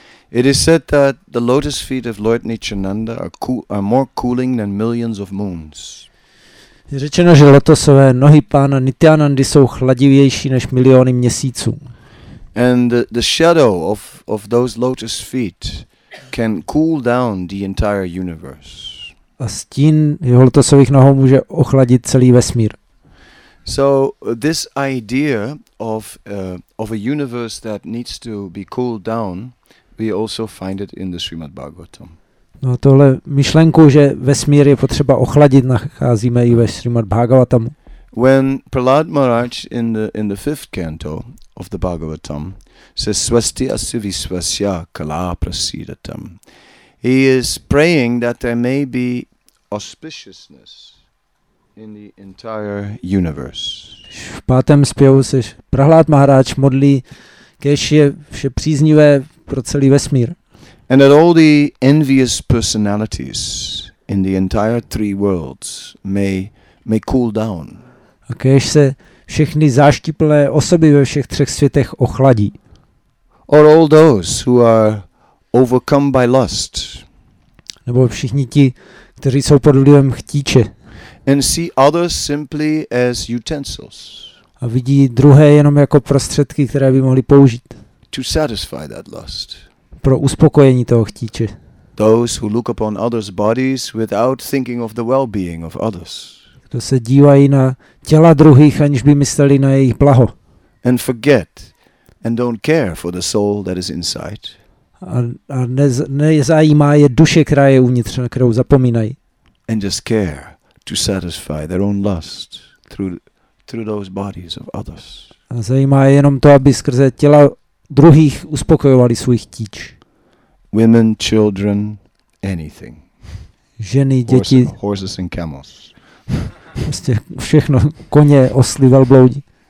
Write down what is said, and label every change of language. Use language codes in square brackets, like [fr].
[en] It is said that the lotus feet of Lord Nityananda are more cooling than millions of moons. [cs] Je řečeno, že lotosové nohy pána Nityanandy jsou chladivější než miliony měsíců. [en] And the shadow of those lotus feet can cool down the entire universe. [cs] A stín jeho lotosových nohou může ochladit celý vesmír. [en] So this idea of a universe that needs to be cooled down, we also find it in the Srimad Bhagavatam. [cs] No a tohle myšlenku, že vesmír je potřeba ochladit, nacházíme i ve Srimad Bhagavatamu. [en] When Prahlad Maharaj in the fifth canto of the Bhagavatam says [sa] swasti asti visvasya kala prasidatam, [en] he is praying that there may be auspiciousness in the entire universe. [cs] V pátém zpěvu se Prahlád Maharáč modlí, kéž je vše příznivé pro celý vesmír. [en] And that all the envious personalities in the entire three worlds may cool down. [cs] A kéž se všechny záštiplné osoby ve všech třech světech ochladí. [en] Or all those who are overcome by lust. [cs] Nebo všichni ti, kteří jsou pod vlivem chtíče. [en] And see others simply as utensils. [cs] A vidí druhé jenom jako prostředky, které by mohli použít. [en] To satisfy that lust. [cs] Pro uspokojení toho chtíče. [en] Those who look upon others' bodies without thinking of the well-being of others. [cs] Kdo se dívají na těla druhých, aniž by mysleli na jejich blaho. [en] And forget and don't care for the soul that is inside. [cs] A nezajímá je duše, která je uvnitř, na kterou zapomínají. [en] And just care to satisfy their own lust through those bodies of others. [cs] A zajímá je jenom to, aby skrze těla druhých uspokojovali svůj chtíč. [en] Women, children, anything. [cs] Ženy, děti. [en] Horses and camels. [cs] Prostě všechno, koně, osly, velbloudi.